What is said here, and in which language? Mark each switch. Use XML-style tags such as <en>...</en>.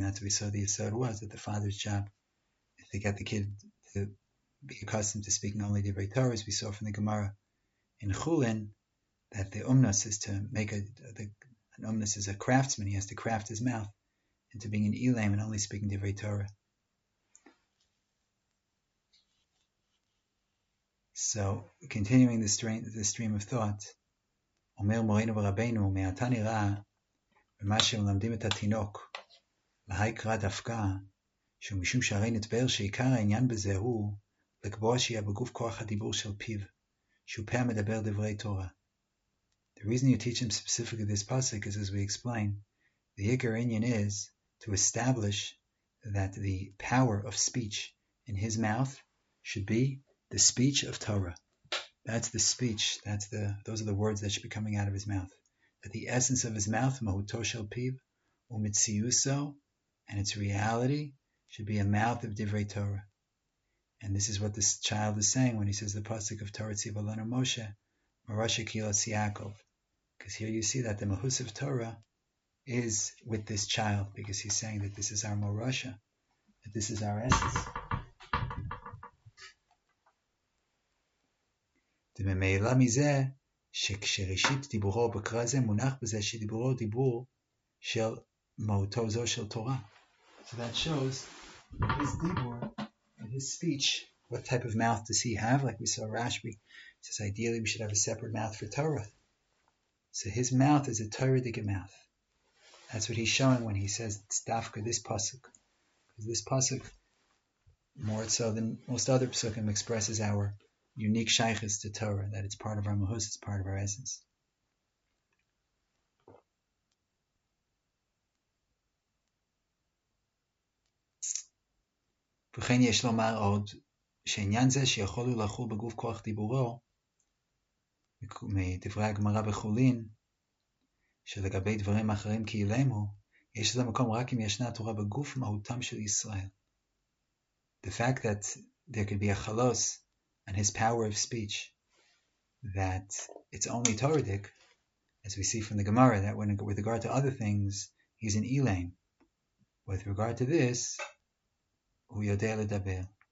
<en>That's what we saw the yesod was, that the father's job is to get the kid to be accustomed to speaking only the Divrei Torah. As we saw from the Gemara in Chulin, that the umnas is to make an umnas is a craftsman. He has to craft his mouth into being an elam and only speaking the Divrei Torah. So continuing the stream of thought.</en> <he>אומר מורינו ורבינו, מעתה נראה במה שמלמדים את התינוק, להי קרא דווקא, שמשום שהרי נתבר שעיקר העניין בזה הוא לקבוע שיהיה בגוף כוח הדיבור של פיו, שהוא פה מדבר דברי תורה.</he> <en>The reason you teach him specifically this pasuk is, as we explain, the</en> <he>עיקר עניין</he> <en>is to establish that the power of speech in his mouth should be the speech of Torah. That's the speech. Those are the words that should be coming out of his mouth. That the essence of his mouth,</en> <he>mahuto shel piv, umitziyuso,</he> <en>and its reality, should be a mouth of divrei Torah. And this is what this child is saying when he says the pasuk of</en> <he>Torah Tziva Lanu Moshe, Marasha Kilas Yaakov.</he> <en>Because here you see that the mahus of Torah is with this child, because he's saying that this is our marasha, that this is our essence.</en> <he>וממעלה מזה שכשראשית דיבורו בקרא זה מונח בזה שדיבורו דיבור של מהותו זו של תורה.</he> <en>So that shows his דיבור and his speech. What type of mouth does he have? Like we saw Rashbi says, ideally we should have a separate mouth for Torah. So his mouth is a Torah-dic mouth. That's what he's showing when he says it's dafka this pasuk. Because this pasuk, more so than most other pasukim, expresses our unique shaychus to Torah, that it's part of our mahus, it's part of our essence.</en> <he>וכן יש לומר עוד שעניין זה שיכולו לחול בגוף כוח דיבורו מדברי הגמרא בחולין, שלגבי דברים אחרים כאילמו, יש לזה מקום רק אם ישנה תורה בגוף מהותם של ישראל.</he> <en>The fact that there could be a chalos and his power of speech, that it's only Torahdic, as we see from the Gemara, that when with regard to other things, he's an Elaim. With regard to this,</en> <he>Hu Yodeh Ledaber.</he>